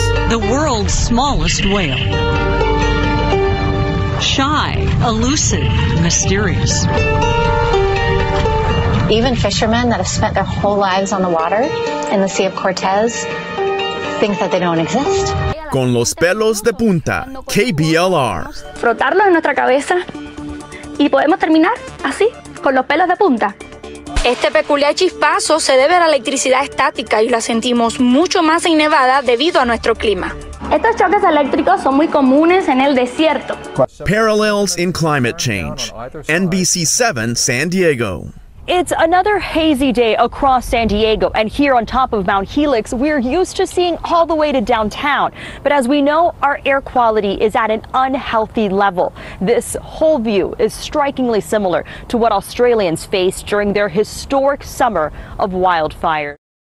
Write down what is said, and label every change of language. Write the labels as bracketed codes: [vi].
[en] The world's smallest whale. Shy, elusive, mysterious. Even fishermen that have spent their whole lives on the water in the Sea of Cortez think that they don't exist. [es] Con los pelos de punta, KBLR. Frotarlo en nuestra cabeza y podemos terminar así, con los pelos de punta. Este peculiar chispazo se debe a la electricidad estática y la sentimos mucho más en Nevada debido a nuestro clima. Estos choques eléctricos son muy comunes en el desierto. [en] Parallels in Climate Change, NBC 7 San Diego. It's another hazy day across San Diego, and here on top of Mount Helix, we're used to seeing all the way to downtown. But as we know, our air quality is at an unhealthy level. This whole view is strikingly similar to what Australians faced during their historic summer of wildfires.